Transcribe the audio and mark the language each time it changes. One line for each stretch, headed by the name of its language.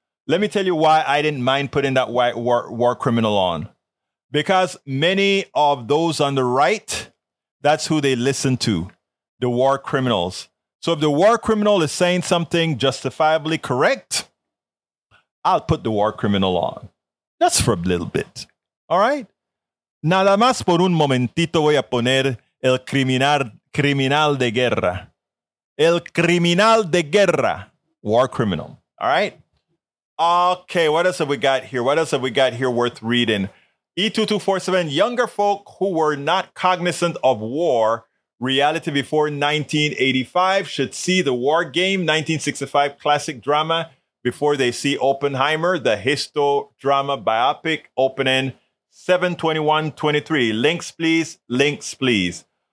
English: Let me tell you why I didn't mind putting that war criminal on. Because many of those on the right, that's who they listen to, the war criminals. So if the war criminal is saying something justifiably correct, I'll put the war criminal on. That's for a little bit. All right?
Spanish: Nada más por un momentito voy a poner el criminal de guerra. El criminal de guerra.
English: War criminal. All right? Okay, what else have we got here? What else have we got here worth reading? E2247, younger folk who were not cognizant of war reality before 1985 should see The War Game, 1965 classic drama, before they see Oppenheimer, the histo-drama biopic opening 7/21/23. Links, please. Links, please.